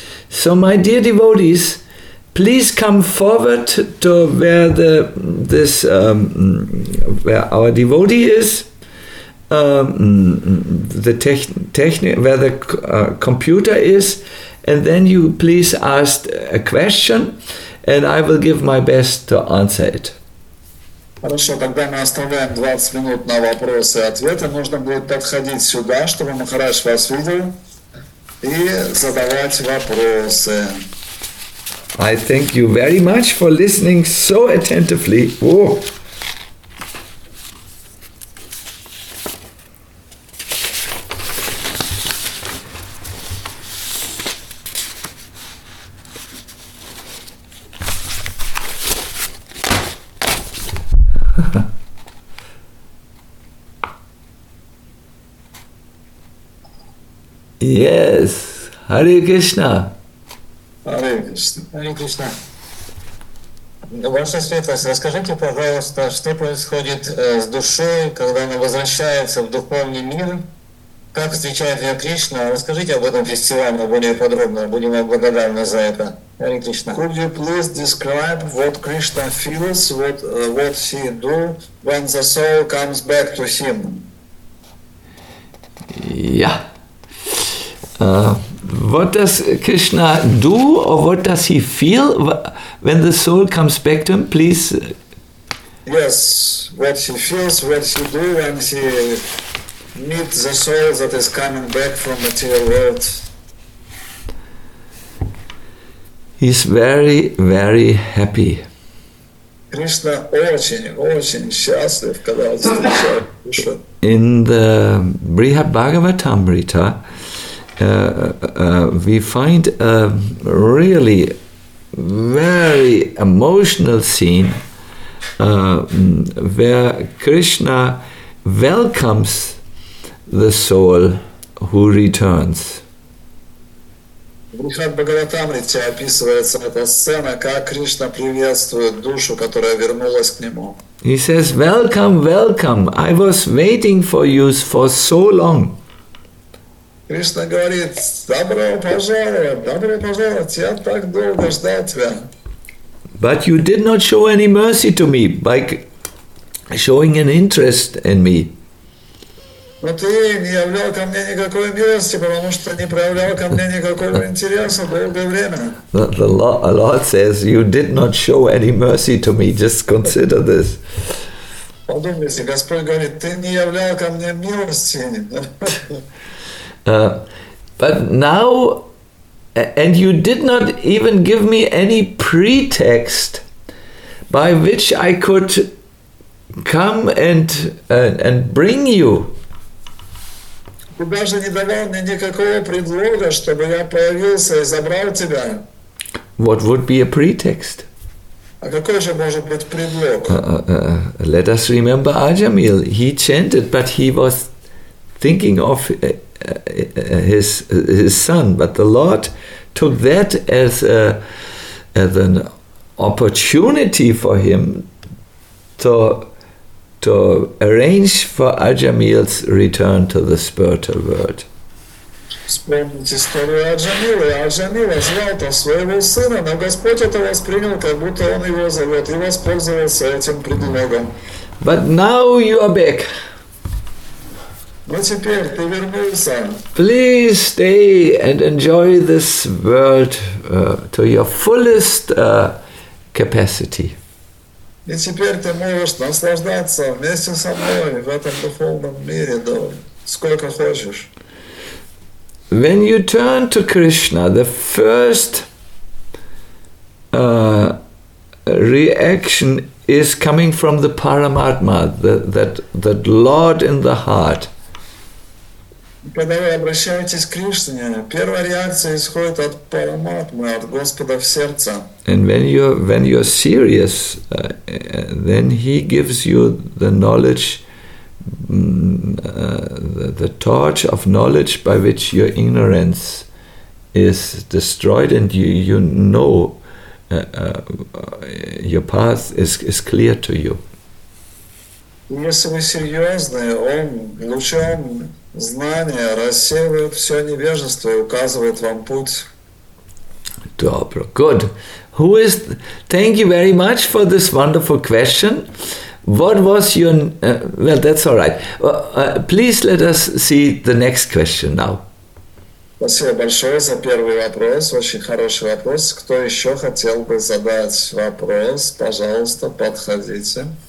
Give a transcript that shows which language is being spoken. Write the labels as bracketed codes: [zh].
[en] So, my dear devotees, please come forward to where where our devotee is, where the computer is, and then you please ask a question, and I will give my best to answer it. [ru] Хорошо, тогда мы оставляем 20 минут на вопросы и ответы. Нужно будет подходить сюда, чтобы Махарадж вас видел, и задавать вопросы. [en] I thank you very much for listening so attentively. Oh. Yes, Hare Krishna. Hare Krishna. [ru] Ваша Светлость, расскажите, пожалуйста, что происходит с душой, когда она возвращается в духовный мир? Как встречает ее Кришна? Расскажите об этом фестивале более подробно. Будем вам благодарны за это. [en] Hare Krishna. Could you please describe what Krishna feels, what he do when the soul comes back to him? Yeah. What does Krishna do, or what does he feel when the soul comes back to him, please? Yes, what he feels, what he do when he meets the soul that is coming back from material world. He's very, very happy. [ru] Krishna очень-очень счастлив, когда он встречает. [en] In the Brihad Bhagavatamrita, we find a really very emotional scene where Krishna welcomes the soul who returns. [ru] Брихад Бхагаватамрите описывается эта сцена, как Кришна приветствует душу, которая вернулась к нему. [en] He says, "Welcome, welcome! I was waiting for you for so long." [ru] Кришна говорит, добро пожаловать, я так долго ждал тебя. [en] But you did not show any mercy to me by showing an interest in me. [ru] Но ты не являл ко мне никакой милости, потому что не проявлял ко мне никакого интереса долгое время. [en] The Lord says, you did not show any mercy to me, just consider this. [ru] Подумайте, Господь говорит, ты не являл ко мне милости. [en] But now, and you did not even give me any pretext by which I could come and bring you. [ru] Ты даже не давал мне никакого предлога, чтобы я появился и забрал тебя. [en] What would be a pretext? [ru] А какой же может быть предлог? [en] Let us remember Ajamil. He chanted, but he was thinking of his son. But the Lord took that as an opportunity for him to arrange for Ajamil's return to the spiritual world. [ru] Вспомните историю Аджамилы. Аджамила звал там своего сына, но Господь это воспринял, как будто он его зовет, и воспользовался этим предлогом. [en] But now you are back. [ru] Но теперь ты вернулся. [en] Please stay and enjoy this world to your fullest capacity. [ru] И теперь ты можешь наслаждаться вместе со мной в этом духовном мире до сколько хочешь. [en] When you turn to Krishna, the first reaction is coming from the Paramatma, that Lord in the heart. [ru] Когда вы обращаетесь к Кришне, первая реакция исходит от Параматмы, от Господа в сердце. [en] And when you're serious, then He gives you the knowledge. The torch of knowledge by which your ignorance is destroyed, and you know your path is clear to you. [ru] Если вы серьезны, он лучом знания рассеивает все невежество и указывает вам путь. [en] Dobro, good. Thank you very much for this wonderful question. What was your... well, that's all right. Please let us see the next question now. [ru] Спасибо большое за первый вопрос. Очень хороший вопрос. Кто еще хотел бы задать вопрос, пожалуйста, подходите.